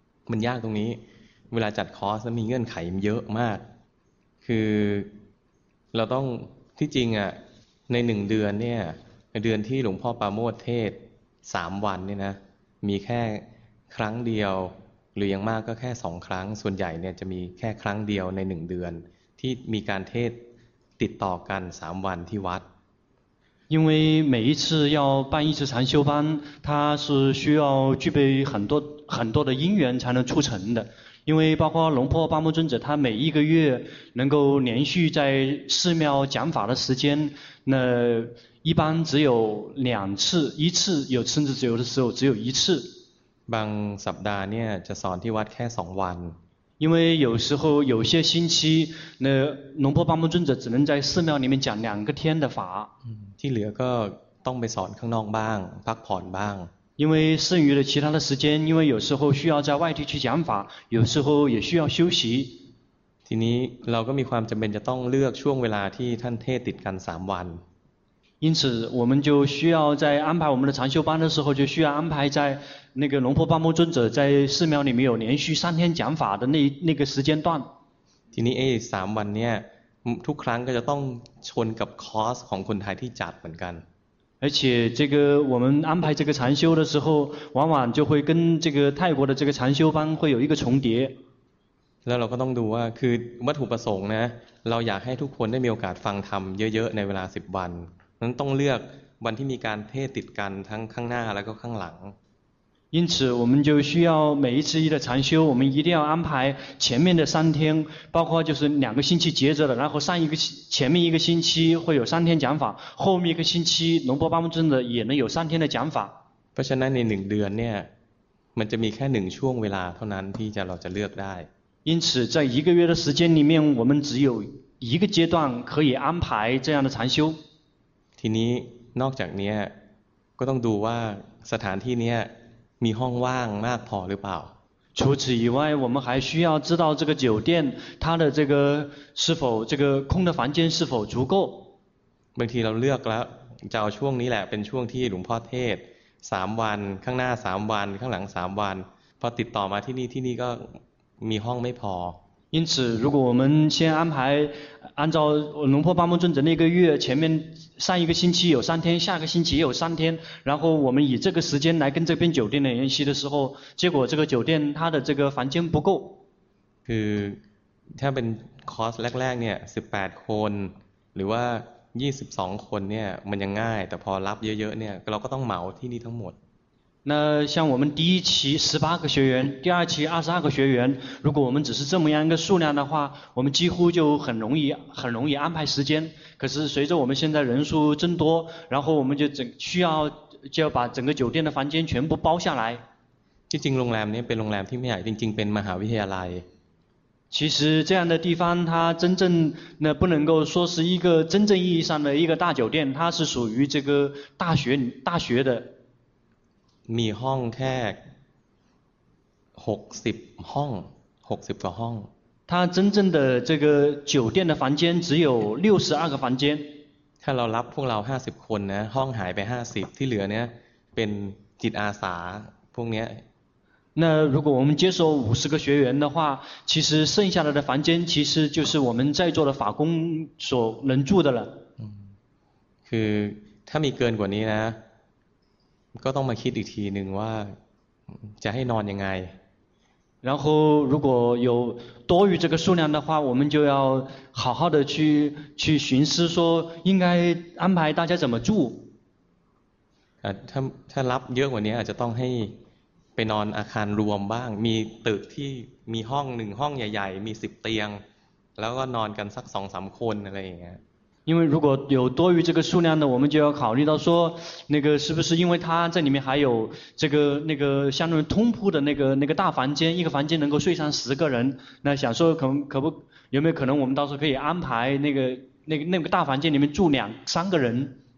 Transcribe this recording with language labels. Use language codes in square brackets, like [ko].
[th] มันยากตรงนี้เวลาจัดคอร์สมันมีเงื่อนไขเยอะมากคือเราต้องที่จริงอ่ะในหนึ่งเดือนเนี่ยเดือนที่หลวงพ่อปาโมทเทศสามวันเนี่ยนะมีแค่ครั้งเดียวหรือยังมากก็แค่สองครั้งส่วนใหญ่เนี่ยจะมีแค่ครั้งเดียวในหนึ่งเดือนที่มีการเทศติดต่อกันสามวันที่วัด [zh] 因为每一次要办一次禅修班，它是需要具备很多很多的因缘才能促成的。因为包括龙婆巴木尊者，他每一个月能够连续在寺庙讲法的时间，那一般只有两次，一次有甚至只有的时候只有一次。 [th] บางสัปดาห์เนี่ยจะสอนที่วัดแค่สองวัน。 [zh] 因为有时候有些星期，那龙婆巴木尊者只能在寺庙里面讲两个天的法。 [th] ที่เหลือก็ต้องไปสอนข้างนอกบ้างพักผ่อนบ้าง [zh] 因为剩余的其他的时间因为有时候需要在外地去讲法有时候也需要休息 [th] ทีนี้เราก็มีความจำเป็นจะต้องเลือกช่วงเวลาที่ท่านเทศติดกัน3วัน [zh] 因此我们就需要在安排我们的禅修班的时候就需要安排在那个龙婆巴木尊者在寺庙里面有连续3天讲法的那个时间段 [th] ทีนี้3วันเนี่ยทุกครั้งก็จะต้องชนกับคอร์สของคนไทยที่จัดเหมือนกัน [zh] 而且这个我们安排这个禅修的时候往往就会跟这个泰国的这个禅修班会有一个重叠 [th] แล้วเราก็ต้องดูว่าคือวัตถุประสงค์นะเราอยากให้ทุกคนได้มีโอกาสฟังธรรมเยอะๆในเวลา10วันนั้นต้องเลือกวันที่มีการเทศติดกันทั้งข้างหน้าแล้วก็ข้างหลัง [zh] 因此我们就需要每一次的禅修我们一定要安排前面的三天包括就是两个星期接着的然后上一个前面一个星期会有三天讲法后面一个星期龙婆巴木尊者也能有三天的讲法 [th] เพราะฉะนั้นในหนึ่งเดือนเนี่ยมันจะมีแค่หนึ่งช่วงเวลาเท่านั้นที่เราจะเลือกได้ [zh] 因此在一个月的时间里面我们只有一个阶段可以安排这样的禅修 [th] ทีนี้นอกจากนี้ก็ต้องดูว่าสถานที่นี้มีห้องว่างมากพอหรือเปล่า [zh] 除此以外我们还需要知道这个酒店它的这个是否这个空的房间是否足够 [th] บางทีเราเลือกแล้วจะเอาช่วงนี้แหละเป็นช่วงที่หลวงพ่อเทศ3วันข้างหน้า3วันข้างหลัง3วันพอติดต่อมาที่นี่ก็มีห้องไม่พอ [zh] 因此如果我们先安排按照龙婆巴木尊者那个月前面上一个星期有三天下个星期也有三天然后我们以这个时间来跟这边酒店的联系的时候结果这个酒店它的这个房间不够 [th] คือถ้าเป็นคอร์สแรกๆเนี่ย18คนหรือว่า22คนเนี่ยมันยังง่ายแต่พอรับเยอะๆเนี่ยเราก็ต้องเหมาที่นี่ทั้งหมด [zh] 那像我们第一期18个学员第二期22个学员如果我们只是这么样一个数量的话我们几乎就很容易安排时间可是随着我们现在人数增多然后我们就要把整个酒店的房间全部包下来 [th] จริงๆโรงแรมเนี่ยเป็นโรงแรมที่ไม่ใหญ่จริงๆเป็นมหาวิทยาลัย [zh] 其实这样的地方它真正那不能够说是一个真正意义上的一个大酒店它是属于这个大学的 [th] มีห้องแค่60ห้อง60กว่าห้อง [zh] 他真正的这个酒店的房间只有六十二个房间。 [th] ถ้าเรารับพวกเรา50คนนะห้องหายไป50ที่เหลือเนี่ยเป็นจิตอาสาพวกเนี้ย [zh] 那如果我们接收五十个学员的话，其实剩下来的房间其实就是我们在座的法工所能住的了。 [th] คือถ้ามีเกินกว่านี้นะก็ต้องมาคิดอีกทีหนึ่งว่าจะให้นอนยังไง [zh] 然后如果有多余这个数量的话，我们就要好好的去寻思说应该安排大家怎么住。 [th] ถ้ารับเยอะกว่านี้อาจจะต้องให้ไปนอนอาคารรวมบ้างมีตึกที่มีห้องหนึ่งห้องใหญ่ๆมี10เตียงแล้วก็นอนกันสัก 2-3 คนอะไรอย่างเงี้ [zh] ย因为如果有多余这个数量的我们就要考虑到说那个是不是因为他在里面还有这个那个相当于通铺的那个大房间一个房间能够睡上10个人那想说可不有没有可能我们到时候可以安排那个大房间里面住两三个人